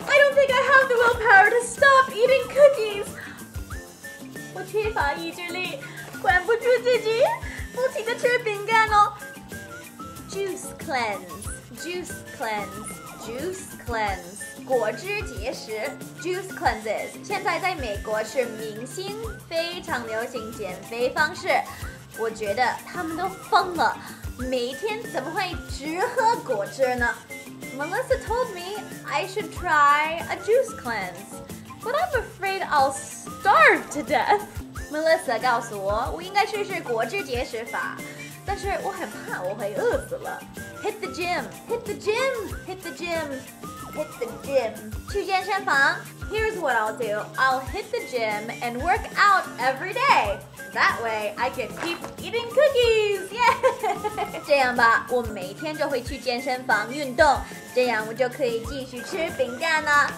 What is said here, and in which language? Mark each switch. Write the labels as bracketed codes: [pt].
[en] I don't think I have the willpower to stop eating cookies. [zh] 我缺乏意志力，管不住自己，不停地吃饼干哦。 [en] Juice cleanse, juice cleanse, juice cleanse. [zh] 果汁节食 juice cleanses. 现在在美国是明星非常流行减肥方式。我觉得他们都疯了，每天怎么会只喝果汁呢？ [en] Melissa told me I should try a juice cleanse, but I'm afraid I'll starve to death. [zh] Melissa 告诉我，我应该试试果汁节食法，但是我很怕我会饿死了。 [en] Hit the gym, hit the gym, hit the gym, hit the gym. [zh] 去健身房。 [en] Here's what I'll do. I'll hit the gym and work out every day. That way, I can keep eating cookies. Yeah. [zh] 这样吧，我每天就会去健身房运动，这样我就可以继续吃饼干了。